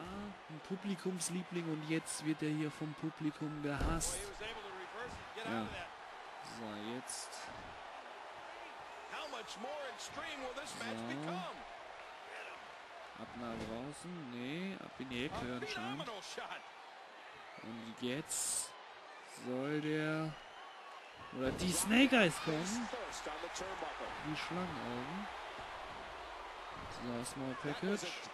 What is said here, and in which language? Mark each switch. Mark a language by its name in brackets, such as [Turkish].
[German] Ja, ein Publikumsliebling und jetzt wird er hier vom Publikum gehasst. Ja. So, jetzt. [English] How much more extreme will this match become? [German] Ab nach draußen, nee, ab in die Ecke anscheinend. Und jetzt soll der oder die Snake Eyes kommen. Die Schlangenaugen. So, Small Package.